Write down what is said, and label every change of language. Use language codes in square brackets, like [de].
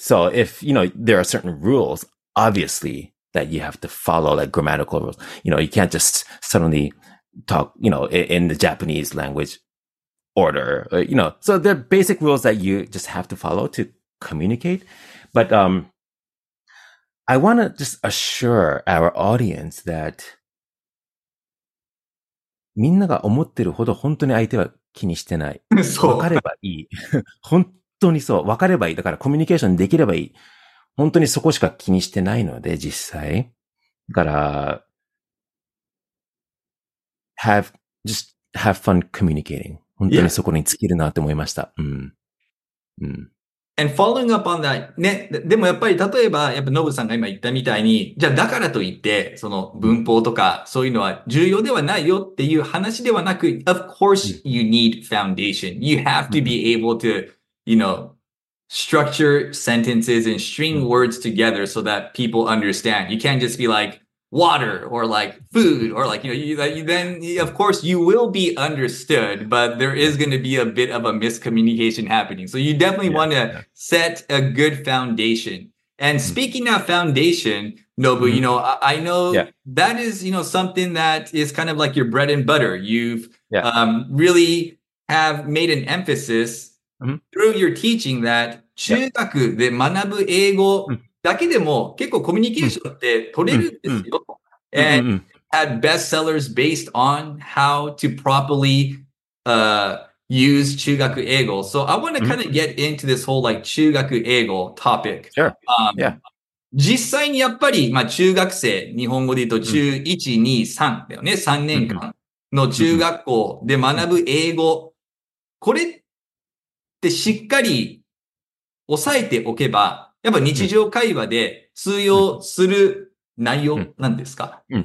[en] So if, you know, there are certain rules, obviously, that you have to follow, like grammatical rules. You know, you can't just suddenly talk, you know, in the Japanese language order, you know. So there are basic rules that you just have to follow to communicate. But I want to just assure our audience that [ja] みんなが思ってるほど本当に相手は気にしてない。分かればいい。本当にそう。分かればいい。だからコミュニケーションできればいい。本当にそこしか気にしてないので、実際。だから [en] just have fun communicating. [ja] 本当にそこに尽きるなって思いました。 [en] And following up on that, [ja] ね、 でもやっぱり例えば やっぱノブさんが今言ったみたいに、 じゃあだからといって その文法とか そういうのは重要ではないよっていう話ではなく、 [en] Of course you need foundation. You have to be able to, you know, structure sentences and string words together so that people understand. You can't just be like water or like food or like, you know, then of course you will be understood, but there is going to be a bit of a miscommunication happening. So you definitely want to set a good foundation. And speaking of foundation, Nobu, you know, I know that is, you know, something that is kind of like your bread and butter. You've really have made an emphasis through your teaching that [ja] 中学で学ぶ英語だけでも結構コミュニケーションって取れるんですよ。 [en] And had bestsellers based on how to properly use 中学英語. So I want to kind of get into this whole like 中学英語 topic. Sure. Yeah. [ja] 実際にやっぱり、まあ、中学生、日本語で言うと中1、2、3だよね。 3年間の中学校で学ぶ英語。これってしっかり押さえておけば、やっぱ日常会話で通用する内容なんですか？